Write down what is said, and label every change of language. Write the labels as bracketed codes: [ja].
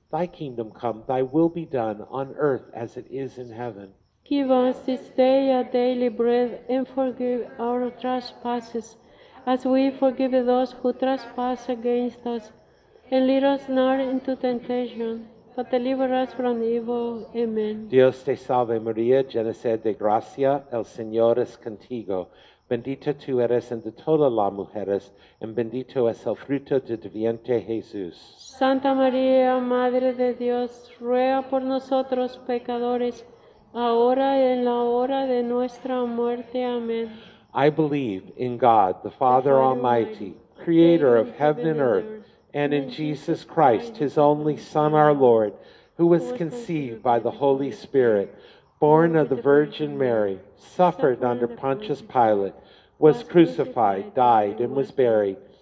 [en] Thy kingdom come, thy will be done on earth as it is in heaven. Give us this day our daily bread, and forgive our trespasses, as we forgive those who trespass against us. And lead us not into temptation, but deliver us from evil. Amen. [es] Dios te salve Maria, llena eres de gracia, el Señor es contigo. Bendita tú eres entre todas las mujeres, y bendito es el fruto de tu vientre, Jesús. Santa María, Madre de Dios, ruega por nosotros pecadores, ahora y en la hora de nuestra muerte. Amén. [en] I believe in God, the Father Almighty, creator of heaven and earth, and in Jesus Christ, his only Son, our Lord, who was conceived by the Holy Spirit, born of the Virgin Mary, suffered under Pontius Pilate, was crucified, died, and was buried.